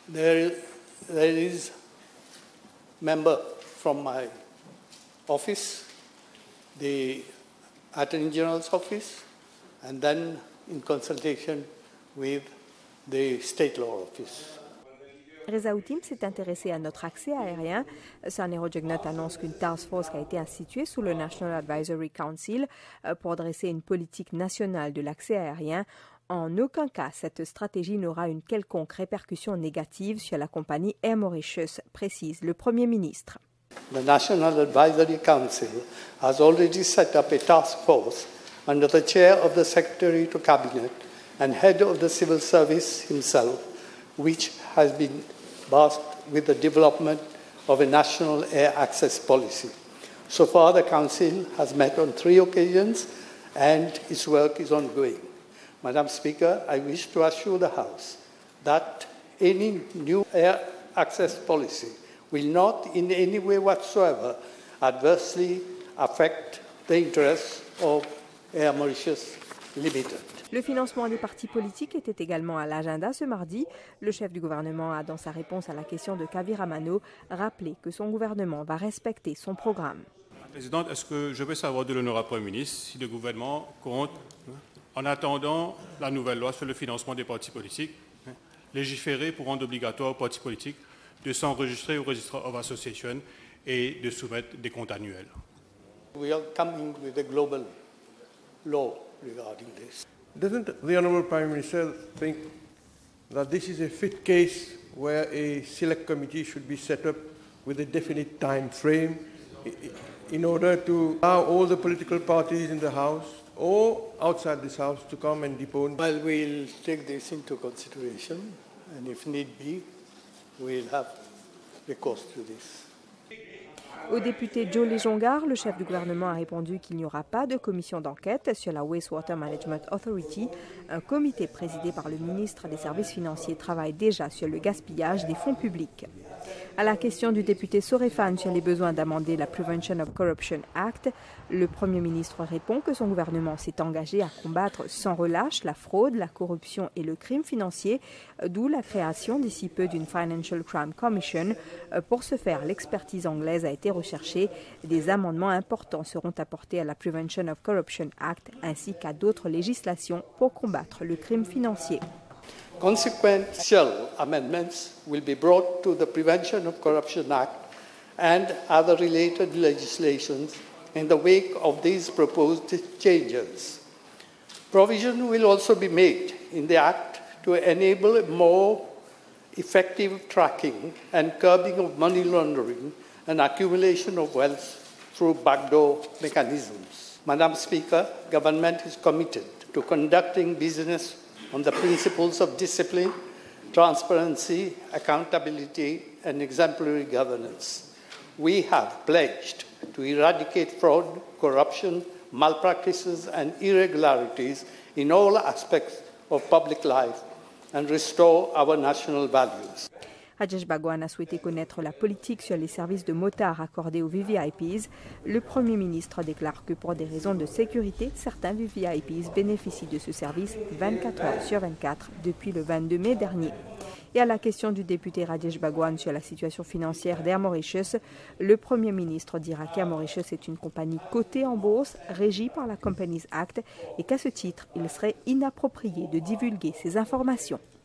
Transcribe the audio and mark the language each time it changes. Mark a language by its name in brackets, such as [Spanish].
[English] There is a member from my office, the Attorney General's office, and then in consultation with the State Law Office. [French] Rezaoutim s'est intéressé à notre accès aérien. San Aerojagnet annonce qu'une task force a été instituée sous le National Advisory Council pour dresser une politique nationale de l'accès aérien. En aucun cas, cette stratégie n'aura une quelconque répercussion négative sur la compagnie Air Mauritius, précise le Premier ministre. [English] The National Advisory Council has already set up a task force under the chair of the Secretary to Cabinet and head of the civil service himself, which has been tasked with the development of a national air access policy. So far, the Council has met on three occasions and its work is ongoing. Madam Speaker, I wish to assure the House that any new air access policy will not in any way whatsoever adversely affect the interests of Air Mauritius Limited. [French] Le financement des partis politiques était également à l'agenda ce mardi. Le chef du gouvernement a, dans sa réponse à la question de Kavi Ramano, rappelé que son gouvernement va respecter son programme. Madame la Présidente, est-ce que je peux savoir de l'honorable Premier ministre si le gouvernement compte, en attendant la nouvelle loi sur le financement des partis politiques, légiférer pour rendre obligatoire aux partis politiques de s'enregistrer au Registre of Association et de soumettre des comptes annuels? [English] We are coming with a global law regarding this. Doesn't the Honourable Prime Minister think that this is a fit case where a select committee should be set up with a definite time frame in order to allow all the political parties in the House or outside this House to come and depone? Well, we'll take this into consideration, and if need be, we'll have recourse to this. [French] Au député Joe Légongard, le chef du gouvernement a répondu qu'il n'y aura pas de commission d'enquête sur la Wastewater Management Authority. Un comité présidé par le ministre des Services financiers travaille déjà sur le gaspillage des fonds publics. À la question du député Sorefan sur les besoins d'amender la Prevention of Corruption Act, le Premier ministre répond que son gouvernement s'est engagé à combattre sans relâche la fraude, la corruption et le crime financier, d'où la création d'ici peu d'une Financial Crime Commission. Pour ce faire, l'expertise anglaise a été recherchée. Des amendements importants seront apportés à la Prevention of Corruption Act ainsi qu'à d'autres législations pour combattre le crime financier. Consequential amendments will be brought to the Prevention of Corruption Act and other related legislations in the wake of these proposed changes. Provision will also be made in the Act to enable more effective tracking and curbing of money laundering and accumulation of wealth through backdoor mechanisms. Madam Speaker, government is committed to conducting business on the principles of discipline, transparency, accountability, and exemplary governance. We have pledged to eradicate fraud, corruption, malpractices, and irregularities in all aspects of public life and restore our national values. Rajesh Bhagwan a souhaité connaître la politique sur les services de motards accordés aux VVIPs. Le Premier ministre déclare que pour des raisons de sécurité, certains VVIPs bénéficient de ce service 24 heures sur 24 depuis le 22 mai dernier. Et à la question du député Rajesh Bhagwan sur la situation financière d'Air Mauritius, le Premier ministre dira qu'Air Mauritius est une compagnie cotée en bourse, régie par la Companies Act, et qu'à ce titre, il serait inapproprié de divulguer ces informations.